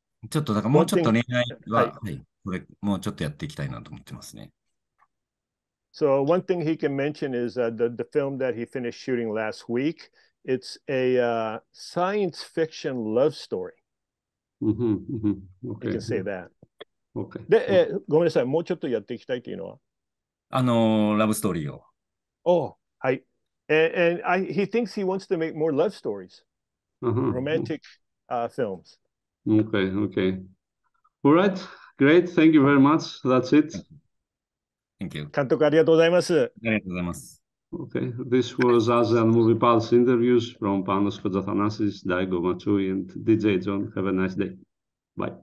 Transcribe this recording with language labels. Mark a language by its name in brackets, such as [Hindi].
[Japanese] ちょっとだからもうちょっと恋愛は、もうちょっとやっていきたいなと思ってますね。 [English] So one thing he can mention is the film that he finished shooting last week. It's a science fiction love story. I can say that. [Japanese] で、ごめんなさい。もうちょっとやっていきたいというのは。ラブストーリーを。 [English] Oh, はい。He thinks he wants to make more love stories, romantic films. All right. Great. Thank you very much. That's it. Thank you. [Japanese] 監督ありがとうございます。ありがとうございます。 [English] This was ASEAN Movie Pulse interviews from Panos Kotzathanasis, Daigo Matsui, and DJ John. Have a nice day. Bye.